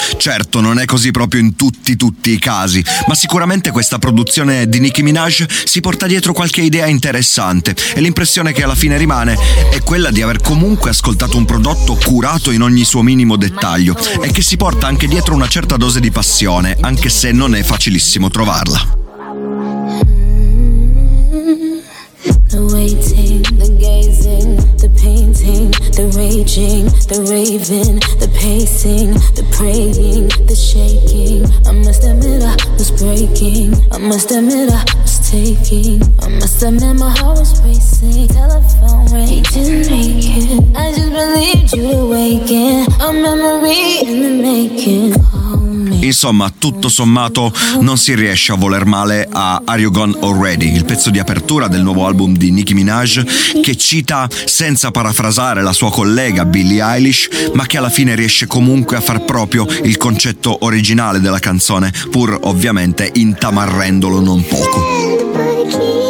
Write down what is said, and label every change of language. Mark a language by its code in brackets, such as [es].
[it] Certo, non è così proprio in tutti i casi, ma sicuramente questa produzione di Nicki Minaj si porta dietro qualche idea interessante, e l'impressione che alla fine rimane è quella di aver comunque ascoltato un prodotto curato in ogni suo minimo dettaglio e che si porta anche dietro una certa dose di passione, anche se non è facilissimo trovarla. [en] The raging, the raving, the pacing, the praying, the shaking. I must admit I was breaking. I must admit I was taking. I must admit my heart was racing. Telephone rang, didn't make it. I just believed you'd awaken. A memory in the making. [it] Insomma, tutto sommato, non si riesce a voler male a Are You Gone Already, il pezzo di apertura del nuovo album di Nicki Minaj, che cita, senza parafrasare, la sua collega Billie Eilish, ma che alla fine riesce comunque a far proprio il concetto originale della canzone, pur ovviamente intamarrendolo non poco.